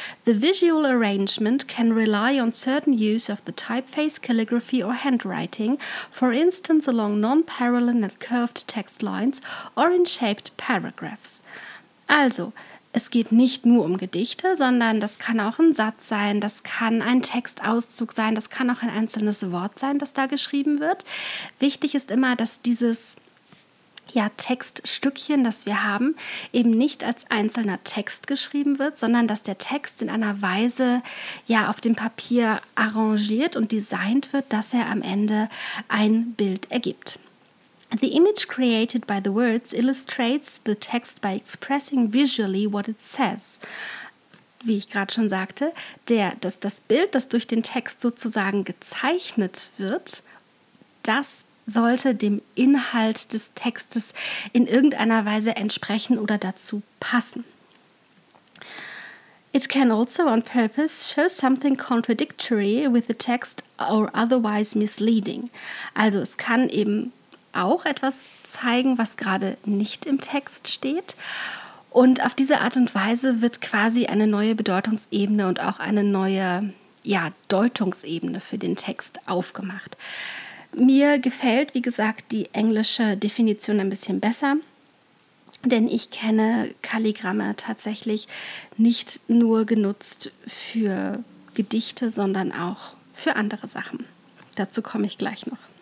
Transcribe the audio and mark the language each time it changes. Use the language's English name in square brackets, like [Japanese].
[English] The visual arrangement can rely on certain use of the typeface, calligraphy or handwriting, for instance along non-parallel and curved text lines or in shaped paragraphs. [German] Also, es geht nicht nur um Gedichte, sondern das kann auch ein Satz sein, das kann ein Textauszug sein, das kann auch ein einzelnes Wort sein, das da geschrieben wird. Wichtig ist immer, dass dieses Textstückchen, das wir haben, eben nicht als einzelner Text geschrieben wird, sondern dass der Text in einer Weise auf dem Papier arrangiert und designt wird, dass er am Ende ein Bild ergibt. [English] The image created by the words illustrates the text by expressing visually what it says. [German] Wie ich gerade schon sagte, das Bild, das durch den Text sozusagen gezeichnet wird, das sollte dem Inhalt des Textes in irgendeiner Weise entsprechen oder dazu passen. [English] It can also on purpose show something contradictory with the text or otherwise misleading. [German] Also es kann eben auch etwas zeigen, was gerade nicht im Text steht. Und auf diese Art und Weise wird quasi eine neue Bedeutungsebene und auch eine neue Deutungsebene für den Text aufgemacht. Mir gefällt, wie gesagt, die englische Definition ein bisschen besser, denn ich kenne Kalligramme tatsächlich nicht nur genutzt für Gedichte, sondern auch für andere Sachen. Dazu komme ich gleich noch.